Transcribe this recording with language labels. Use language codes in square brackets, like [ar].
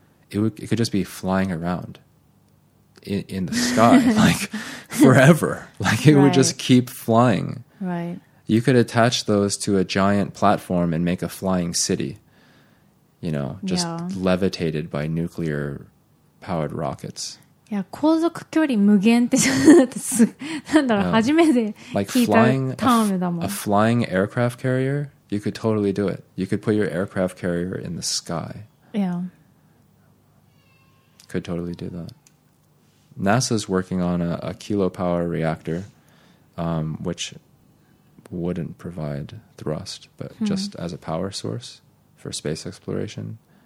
[en] It could just be flying around in the sky, like forever. Like it would just keep flying. Right. You could attach those to a giant platform and make a flying city, you know, just levitated by nuclear powered rockets. [ja] Yeah, 航続距離無限って、なんだろう、初めて聞いたタームだもん。 [en] A flying aircraft carrier, you could totally do it. You could put your aircraft carrier in the sky. Yeah. Could totally do that. NASA's working on a kilopower reactor, which wouldn't provide thrust, but just as a power source for space exploration.